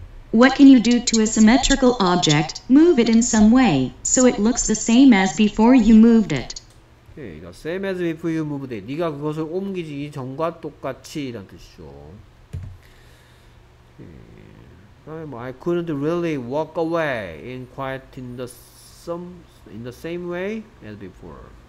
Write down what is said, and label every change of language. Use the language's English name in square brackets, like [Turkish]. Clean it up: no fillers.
[English] What can you do to a symmetrical object? Move it in some way so it looks the same as before you moved it. Okay, the same as before you moved it. [Korean] 네가 그것을 옮기지 전과 똑같이란 뜻이죠. [English] Okay. I couldn't really walk away in quite in the same way as before.